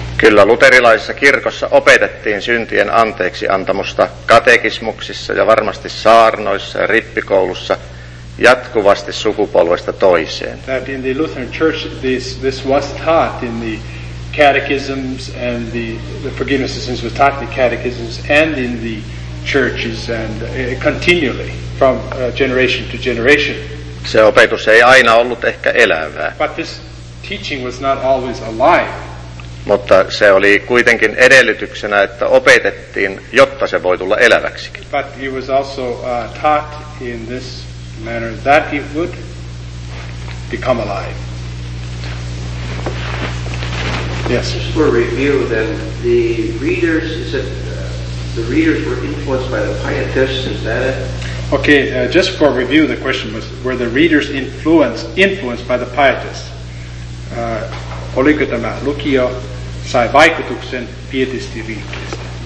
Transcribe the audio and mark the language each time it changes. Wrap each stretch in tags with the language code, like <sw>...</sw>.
<fi>Kyllä luterilaisessa kirkossa opetettiin syntien anteeksi antamusta katekismuksissa ja varmasti saarnoissa ja rippikoulussa jatkuvasti sukupolvesta toiseen.</fi> <en>That in the Lutheran church this was taught in the catechisms and the Forgiveness of Sins with Tati catechisms and in the churches and continually from generation to generation.</en> <fi>Se opetus ei aina ollut ehkä elävää.</fi> <en>But this teaching was not always alive.</en> <fi>Mutta se oli kuitenkin edellytyksenä, että opetettiin, jotta se voi tulla eläväksikin.</fi> <en>But he was also taught in this manner that it would become alive. Yes. Just for review, then the readers, is it the readers were influenced by the Pietists? Is that it? Okay. Just for review, the question was: were the readers influenced by the Pietists?</en> <fi>Oliko tämä lukio sai vaikutuksen Pietistin liikkeestä?</fi>